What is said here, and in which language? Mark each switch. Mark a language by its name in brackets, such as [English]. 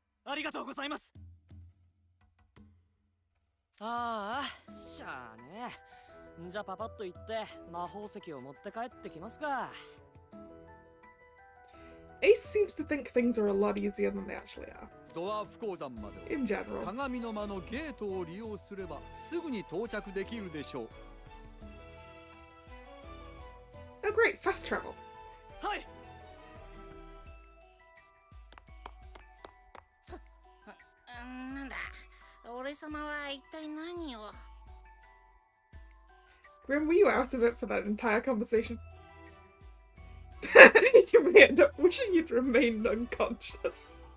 [Japanese] ありがとうございます。ああ、しゃあね。じゃあパパッと言って魔法石を持って帰ってきますか。 [English] Ace seems to think things are a lot easier than they actually are. [Japanese] ドワーフ鉱山まで。 [English] In general. [Japanese] 鏡の間のゲートを利用すればすぐに到着できるでしょう。 [English] Oh great, fast travel. [Japanese] はい。なんだ、俺様は一体何を。 [English] Grim, were you out of it for that entire conversation? You may end up wishing you'd remained unconscious.